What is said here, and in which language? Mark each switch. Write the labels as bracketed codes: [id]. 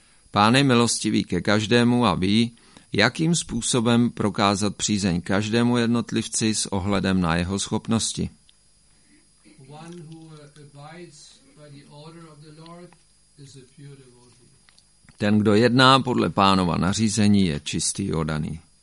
[cs] Pán je milostivý ke každému a ví, jakým způsobem prokázat přízeň každému jednotlivci s ohledem na jeho schopnosti. [en] Who abides by the order of the Lord is a pure devotee. [cs] Ten, kdo jedná podle Pánova nařízení, je čistý a oddaný.